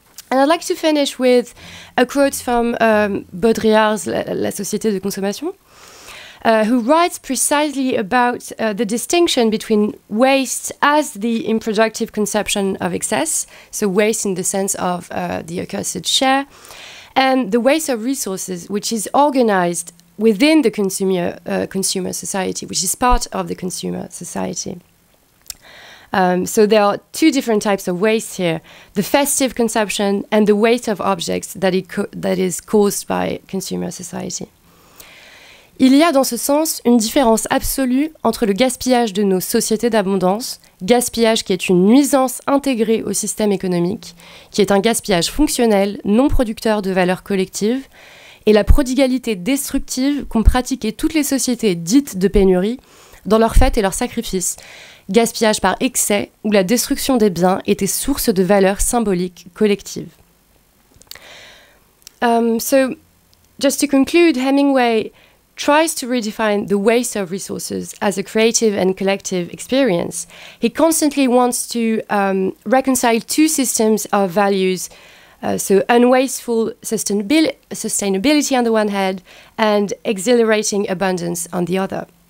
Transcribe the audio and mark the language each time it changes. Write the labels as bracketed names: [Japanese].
[English] And I'd like to finish with a quote from Baudrillard's La Société de Consommation, who writes precisely about the distinction between waste as the improductive conception of excess, so waste in the sense of the accursed share, and the waste of resources, which is organized within the consumer society, which is part of the consumer society. So there are two different types of waste here, the festive consumption and the waste of objects that is caused by consumer society. [French] Il y a dans ce sens une différence absolue entre le gaspillage de nos sociétés d'abondance, gaspillage qui est une nuisance intégrée au système économique, qui est un gaspillage fonctionnel, non producteur de valeur collective, et la prodigalité destructive qu'ont pratiqué toutes les sociétés dites de pénurie dans leurs fêtes et leurs sacrifices, gaspillage par excès où la destruction des biens était source de valeur symbolique collective. [English] So, just to conclude, Hemingway tries to redefine the waste of resources as a creative and collective experience. He constantly wants to reconcile two systems of values, so unwasteful sustainability on the one hand and exhilarating abundance on the other.